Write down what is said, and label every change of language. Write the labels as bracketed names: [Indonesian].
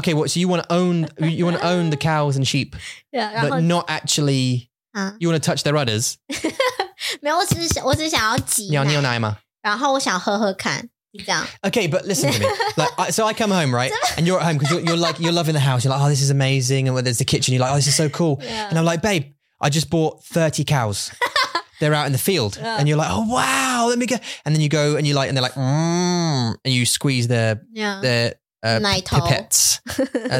[English] Okay, well, so you want to own the cows and sheep, yeah, but not actually, you want to touch their rudders? [Chinese] 没有，我只是想要挤奶。你要牛奶吗？然后我想喝喝看，是这样。 [English] Okay, but listen to me. So I come home, right? And you're at home because you're loving the house. You're like, oh, this is amazing. And there's the kitchen. You're like, oh, this is so cool. Yeah. And I'm like, babe, I just bought 30 cows. They're out in the field. Yeah. And you're like, oh, wow, let me go. And then you go and you're like, and they're like, mmm. And you squeeze their pipettes.